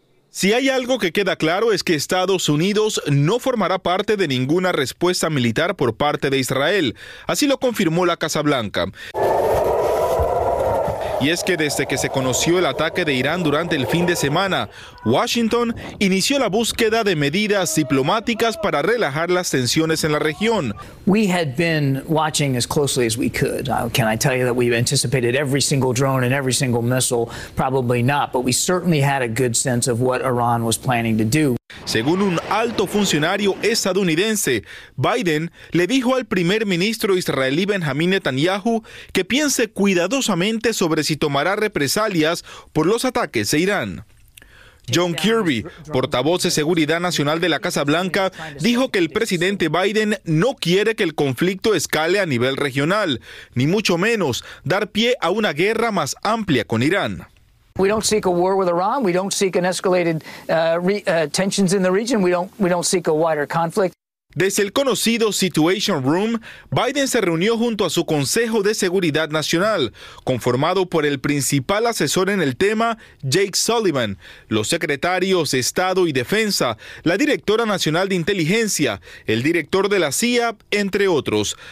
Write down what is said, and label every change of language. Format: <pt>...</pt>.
<es>Si hay algo que queda claro es que Estados Unidos no formará parte de ninguna respuesta militar por parte de Israel. Así lo confirmó la Casa Blanca. Y es que desde que se conoció el ataque de Irán durante el fin de semana, Washington inició la búsqueda de medidas diplomáticas para relajar las tensiones en la región.</es> <en>We had been watching as closely as we could. Can I tell you that we've anticipated every single drone and every single missile? Probably not, but we certainly had a good sense of what Iran was planning to do.</en> <es>Según un alto funcionario estadounidense, Biden le dijo al primer ministro israelí Benjamín Netanyahu que piense cuidadosamente sobre si tomará represalias por los ataques de Irán. John Kirby, portavoz de Seguridad Nacional de la Casa Blanca, dijo que el presidente Biden no quiere que el conflicto escale a nivel regional, ni mucho menos dar pie a una guerra más amplia con Irán.</es> <en>We don't seek a war with Iran. We don't seek an escalated tensions in the region. We don't seek a wider conflict.</en> <es>Desde el conocido Situation Room, Biden se reunió junto a su Consejo de Seguridad Nacional, conformado por el principal asesor en el tema, Jake Sullivan, los secretarios de Estado y Defensa, la directora nacional de inteligencia, el director de la CIA, entre otros.</es>